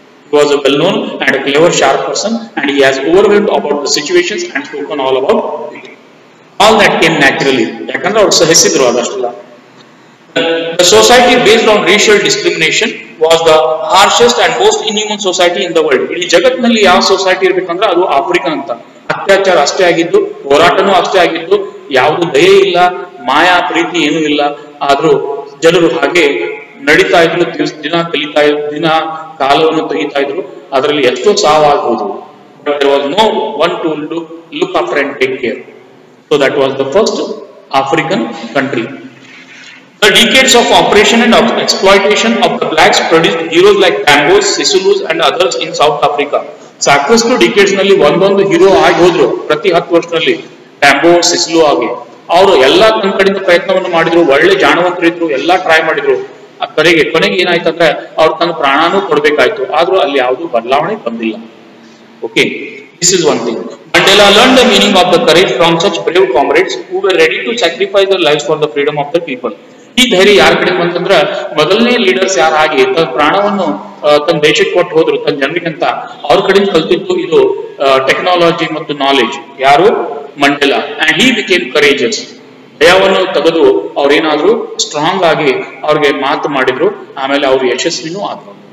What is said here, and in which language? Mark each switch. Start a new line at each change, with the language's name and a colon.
English: He was a well known and a clever sharp person and he has overwhelmed about the situations and spoken all about it. All that came naturally.
Kannada: Yakandre avaru sahisidru adashtella.
English: The society based on racial discrimination was the harshest and most inhuman society in the world.
Kannada: ಇಡೀ ಜಗತ್ತಿನಲ್ಲಿ ಯಾವ society ಇರ್ಬೇಕಂದ್ರೆ ಅದು African ಅಂತ. ಅತ್ಯಾಚಾರ ಅಷ್ಟೇ ಆಗಿದ್ದು, ಹೋರಾಟನೂ ಅಷ್ಟೇ ಆಗಿದ್ದು, ಯಾವುದು ದಯೆ ಇಲ್ಲ, ಮಾಯಾ ಪ್ರೀತಿ ಏನೂ ಇಲ್ಲ. ಆದರೂ ಜನರು ಹಾಗೆ ನಡೀತಾ ಇದ್ರು, ದಿನ ಕಲಿತಾ ಇದ್ರು, ದಿನ ಕಾಲವನ್ನು ತೆಗಿತಾ ಇದ್ರು, ಅದರಲ್ಲಿ ಎಷ್ಟೋ ಸಾವಾಗಬಹುದು.
English: But there was no one to look after and take care. So that was the first African country. The decades of oppression and of exploitation of the blacks produced heroes like Tambo, Sisulu and others in South Africa.
Kannada: ಸಾಕಷ್ಟು decades ನಲ್ಲಿ ಒಂದೊಂದು hero ಆಗಿ ಹೋದ್ರು. ಪ್ರತಿ ಹತ್ತು ವರ್ಷದಲ್ಲಿ ಟ್ಯಾಂಬೋ ಸಿಸಲು ಆಗಿ ಅವರು ಎಲ್ಲ ತನ್ನ ಕಡೆಯಿಂದ ಪ್ರಯತ್ನವನ್ನು ಮಾಡಿದ್ರು, ಒಳ್ಳೆ ಜಾಣವಂತರಿದ್ರು, ಎಲ್ಲ ಟ್ರೈ ಮಾಡಿದ್ರು. ಆ ಕರೆಗೆ ಕೊನೆಗೆ ಏನಾಯ್ತು ಅಂದ್ರೆ ಅವ್ರು ತನ್ನ ಪ್ರಾಣನೂ ಕೊಡಬೇಕಾಯ್ತು. ಆದ್ರೂ ಅಲ್ಲಿ ಯಾವುದು ಬದಲಾವಣೆ ಬಂದಿಲ್ಲ.
English: Okay, this is one thing. Mandela learned the meaning of the courage from such brave comrades who were ready to sacrifice their lives for the freedom of the people.
Kannada: ಈ ಧೈರ್ಯ ಯಾರ ಕಡೆ ಬಂತಂದ್ರೆ, ಮೊದಲನೇ ಲೀಡರ್ಸ್ ಯಾರು ಆಗಿ ತನ್ನ ಪ್ರಾಣವನ್ನು ತನ್ನ ದೇಶಕ್ಕೆ ಕೊಟ್ಟು ಹೋದ್ರು ತನ್ನ ಜನರಿಗಂತ, ಅವ್ರ ಕಡೆಯಿಂದ ಕಲ್ತಿದ್ದು ಇದು ಟೆಕ್ನಾಲಜಿ ಮತ್ತು ನಾಲೆಜ್. ಯಾರು? Mandela.
English: And he became courageous.
Kannada: ಭಯವನ್ನು ತೆಗೆದು ಅವ್ರೇನಾದ್ರೂ ಸ್ಟ್ರಾಂಗ್ ಆಗಿ ಅವ್ರಿಗೆ ಮಾತು ಮಾಡಿದ್ರು, ಆಮೇಲೆ ಅವ್ರು ಯಶಸ್ವಿನೂ ಆದ್ರು.